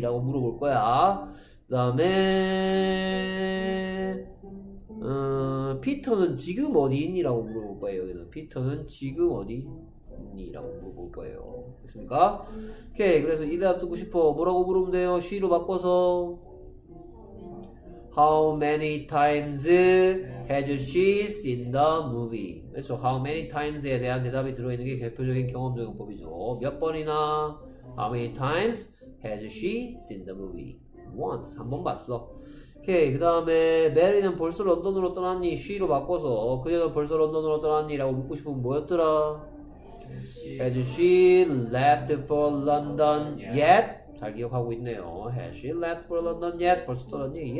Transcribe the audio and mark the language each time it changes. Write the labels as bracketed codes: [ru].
[ko] 라고 물어볼 거야. 그 다음에, 피터는 지금 어디 있니? 라고 물어볼 거예요. 여기는. 피터는 지금 어디 있니? 라고 물어볼 거예요. 됐습니까? 오케이. 그래서 이 대답 듣고 싶어. 뭐라고 물으면 돼요? she로 바꿔서. [en] How many times has she seen the movie? [ko] 그렇죠. [en] How many times [ko] 에 대한 대답이 들어있는 게 대표적인 경험적용 법이죠. 몇 번이나? [en] How many times has she seen the movie? [ko] Once. 한번 봤어. 오케이. 그 다음에 메리는 벌써 런던으로 떠났니? she로 바꿔서 그녀는 벌써 런던으로 떠났니? 라고 묻고 싶은 뭐였더라? [en] Has she left for London yet? [ko] 잘 기억하고 있네요. [en] Has she left for London yet? [ko] 벌써 떠났니?